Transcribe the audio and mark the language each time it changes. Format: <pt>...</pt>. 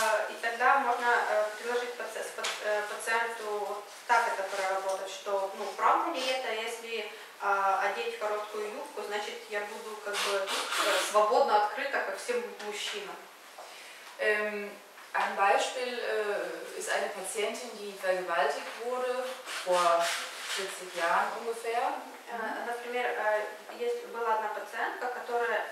<ru>И тогда можно предложить пациенту так это проработать, что ну правда ли это, если одеть короткую юбку, значит я буду как бы свободно открыта, как всем мужчинам.</ru> <de>Ein Beispiel ist eine Patientin, die vergewaltigt wurde vor 40 Jahren ungefähr.</de> <ru>Например, есть была одна пациентка, которая</ru>